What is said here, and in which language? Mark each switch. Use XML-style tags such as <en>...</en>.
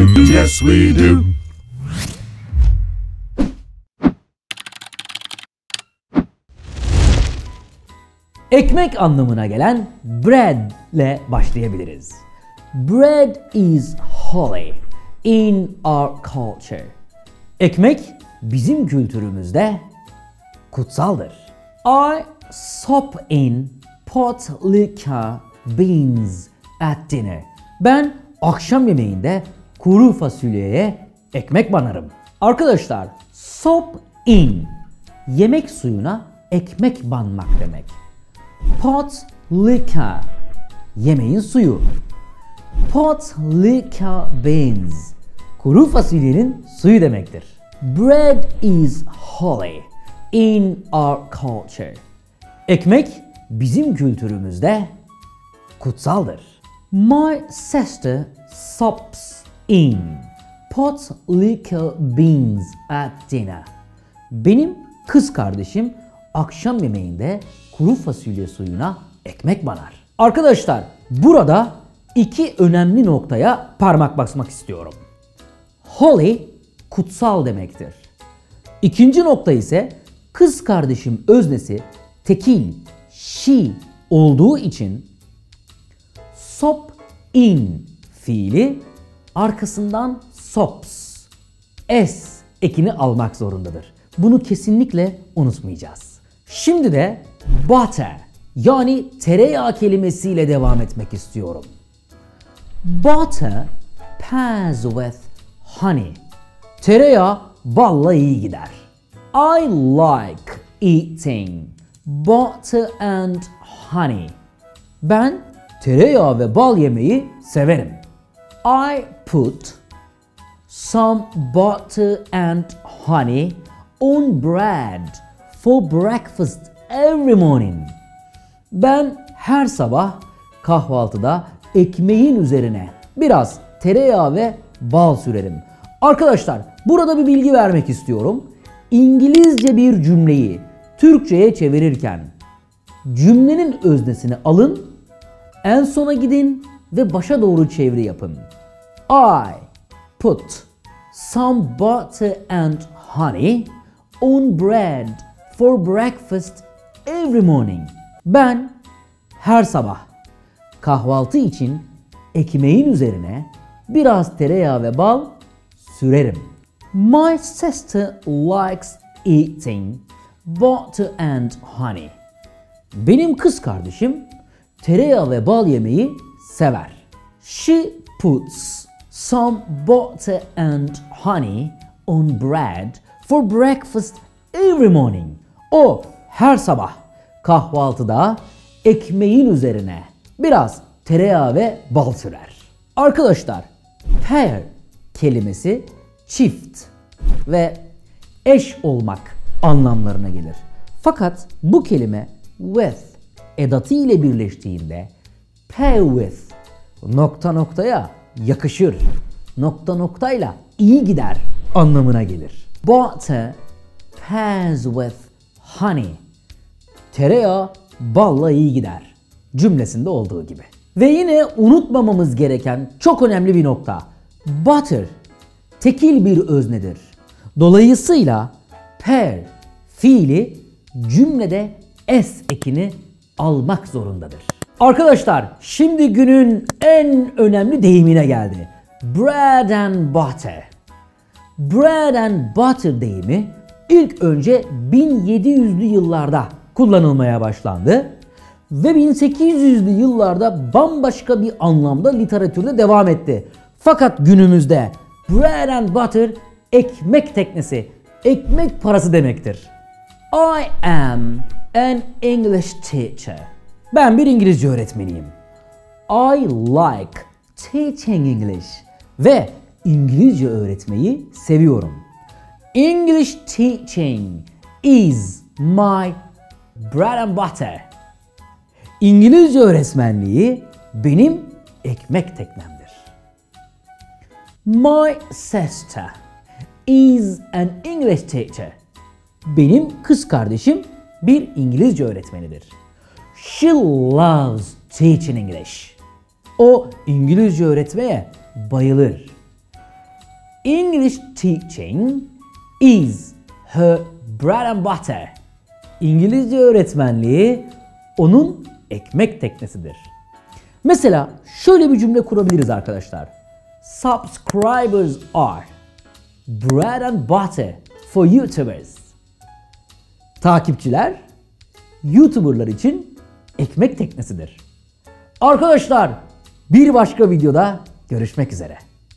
<en>Yes we do.</en> <tr>Ekmek anlamına gelen bread ile başlayabiliriz.</tr> <en>Bread is holy in our culture.</en> <tr>Ekmek bizim kültürümüzde kutsaldır.</tr> <en>I sop in pot lika beans at dinner.</en> <tr>Ben akşam yemeğinde kuru fasulyeye ekmek banarım. Arkadaşlar, sop in yemek suyuna ekmek banmak demek. Pot lika yemeğin suyu. Pot lika beans kuru fasulyenin suyu demektir.</tr> <en>Bread is holy in our culture.</en> <tr>Ekmek bizim kültürümüzde kutsaldır.</tr> <en>My sister sops in pot lika beans at dinner.</en> <tr>Benim kız kardeşim akşam yemeğinde kuru fasulye suyuna ekmek banar. Arkadaşlar, burada iki önemli noktaya parmak basmak istiyorum. Holy, kutsal demektir. İkinci nokta ise kız kardeşim öznesi tekil, she olduğu için sop in fiili arkasından sops, s ekini almak zorundadır. Bunu kesinlikle unutmayacağız. Şimdi de butter yani tereyağı kelimesiyle devam etmek istiyorum.</tr> <en>Butter pairs with honey.</en> <tr>Tereyağı balla iyi gider.</tr> <en>I like eating butter and honey.</en> <tr>Ben tereyağı ve bal yemeyi severim.</tr> <en>I put some butter and honey on bread for breakfast every morning.</en> <tr>Ben her sabah kahvaltıda ekmeğin üzerine biraz tereyağı ve bal sürerim. Arkadaşlar, burada bir bilgi vermek istiyorum. İngilizce bir cümleyi Türkçe'ye çevirirken cümlenin öznesini alın, en sona gidin ve başa doğru çeviri yapın.</tr> <en>I put some butter and honey on bread for breakfast every morning.</en> <tr>Ben her sabah kahvaltı için ekmeğin üzerine biraz tereyağı ve bal sürerim.</tr> <en>My sister likes eating butter and honey.</en> <tr>Benim kız kardeşim tereyağı ve bal yemeyi sever.</tr> <en>She puts some butter and honey on bread for breakfast every morning.</en> <tr>O her sabah kahvaltıda ekmeğin üzerine biraz tereyağı ve bal sürer. Arkadaşlar, pair kelimesi çift ve eş olmak anlamlarına gelir. Fakat bu kelime with edatı ile birleştiğinde pair with nokta noktaya yakışır, nokta noktayla iyi gider anlamına gelir.</tr> <en>Butter pairs with honey.</en> <tr>Tereyağı balla iyi gider cümlesinde olduğu gibi. Ve yine unutmamamız gereken çok önemli bir nokta. Butter tekil bir öznedir. Dolayısıyla pair fiili cümlede s ekini almak zorundadır. Arkadaşlar, şimdi günün en önemli deyimine geldi. Bread and butter. Bread and butter deyimi ilk önce 1700'lü yıllarda kullanılmaya başlandı ve 1800'lü yıllarda bambaşka bir anlamda literatürde devam etti. Fakat günümüzde bread and butter ekmek teknesi, ekmek parası demektir.</tr> <en>I am an English teacher.</en> <tr>Ben bir İngilizce öğretmeniyim.</tr> <en>I like teaching English</en> <tr>ve İngilizce öğretmeyi seviyorum.</tr> <en>English teaching is my bread and butter.</en> <tr>İngilizce öğretmenliği benim ekmek teknemdir.</tr> <en>My sister is an English teacher.</en> <tr>Benim kız kardeşim bir İngilizce öğretmenidir.</tr> <en>She loves teaching English.</en> <tr>O İngilizce öğretmeye bayılır.</tr> <en>English teaching is her bread and butter.</en> <tr>İngilizce öğretmenliği onun ekmek teknesidir. Mesela şöyle bir cümle kurabiliriz arkadaşlar.</tr> <en>Subscribers are bread and butter for YouTubers.</en> <tr>Takipçiler YouTuberlar için ekmek teknesidir. Arkadaşlar bir başka videoda görüşmek üzere.</tr>